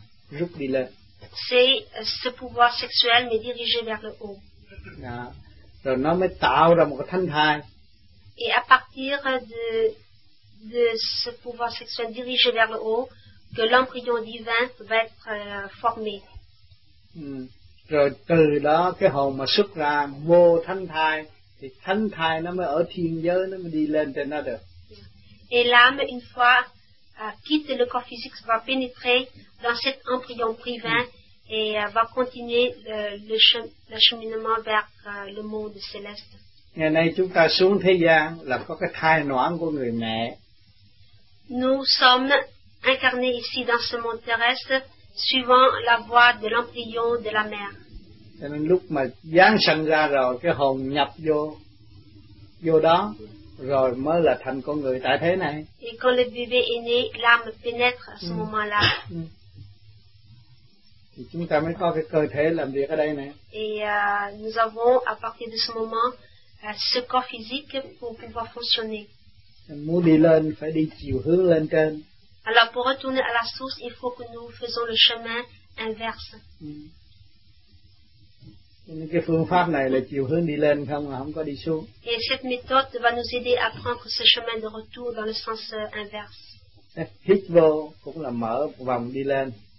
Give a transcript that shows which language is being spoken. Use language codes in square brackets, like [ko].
[fr] C'est ce pouvoir sexuel mais dirigé vers le haut. Et à partir de ce pouvoir sexuel dirigé vers le haut, que l'embryon divin va être formé. [vi] Rồi từ đó cái hồn mà xuất ra vô thánh thai, thì thánh thai nó mới ở thiên giới, nó mới đi lên trên nó được. [fr] et l'âme, une fois quitte le corps physique, va pénétrer dans cet embryon divin et va continuer le cheminement vers le monde céleste. [vi] Ngày nay chúng ta xuống thế gian là có cái thai noãn của người mẹ. [fr] Nous sommes incarnés ici dans ce monde terrestre suivant la voie de l'embryon de la mère. [vi] Cho nên lúc mà giáng sanh ra rồi cái hồn nhập vô vô đó rồi mới là thành con người tại thế này. [fr] Et quand le bébé est né, l'âme pénètre à ce moment-là. [vi] Thì chúng ta mới có cái cơ thể làm việc ở đây này. [fr] Et nous avons à partir de ce moment ce corps physique pour pouvoir fonctionner. [vi] Muốn đi lên phải đi chiều hướng lên trên. [fr] Alors pour retourner à la source, il faut que nous faisons le chemin inverse. [vi] Cái phương pháp này là chiều hướng đi lên không mà không có đi xuống. [fr] Et cette méthode va nous aider à prendre ce chemin de retour dans le sens inverse. [vi] Hít vô cũng là mở vòng đi lên.